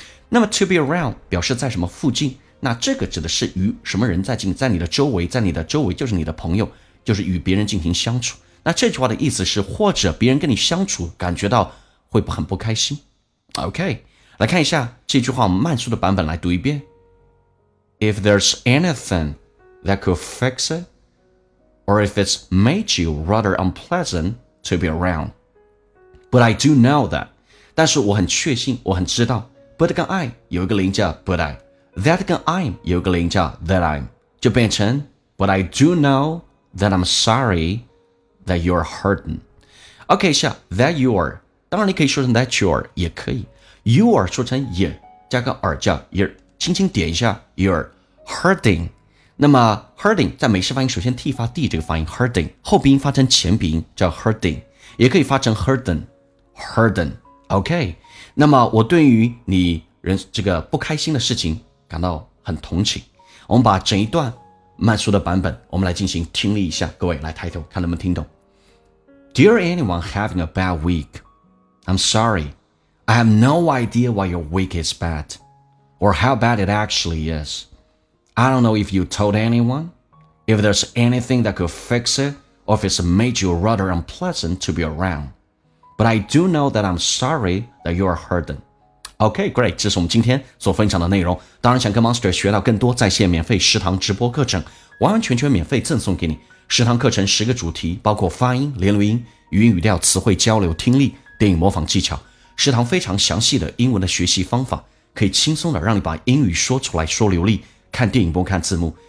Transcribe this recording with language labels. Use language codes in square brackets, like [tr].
[zh] 那么 [en] to be around [zh] 表示在什么附近，那这个指的是与什么人在近，在你的周围，在你的周围就是你的朋友，就是与别人进行相处。那这句话的意思是或者别人跟你相处感觉到会很不开心。 OK， 来看一下这句话，我们慢速的版本来读一遍。 [en] If there's anything that could fix it or if it's made you rather unpleasant to be around， But I do know that， [zh] 但是我很确信，我很知道。 [en] But [zh] 跟 [en] I [zh] 有一个连叫 [en] But I， That 跟 I'm 有一个连叫 That I'm， [zh] 就变成 [en] But I do know that I'm sorry that you're hurting。 [zh] OK， 下 [en] That you are， [zh] 当然你可以说成 That you are 也可以， You are 说成 y 加个 are 叫 you're， 轻轻点一下 [en] You're hurting。 [zh] 那么 hurting 在美式发音首先 T 发 D 这个发音 hurting， 后鼻音发成前鼻音叫 hurting， 也可以发成 hurting， hurting。 OK，那么我对于你人这个不开心的事情感到很同情。我们把整一段慢速的版本我们来进行听力一下，各位来抬头看能不能听懂。 [en] Dear anyone having a bad week， I'm sorry， I have no idea why your week is bad or how bad it actually is。 I don't know if you told anyone if there's anything that could fix it or if it's made you rather unpleasant to be aroundBut I do know that I'm sorry that you are hurting. OK, great. [zh] 这是我们今天所分享的内容。当然想跟 Monster 学到更多在线免费十堂直播课程，完完全全免费赠送给你。十堂课程十个主题，包括发音、连录音、语音语调、词汇交流、听力、电影模仿技巧。十堂非常详细的英文的学习方法，可以轻松的让你把英语说出来说流利，看电影不用看字幕。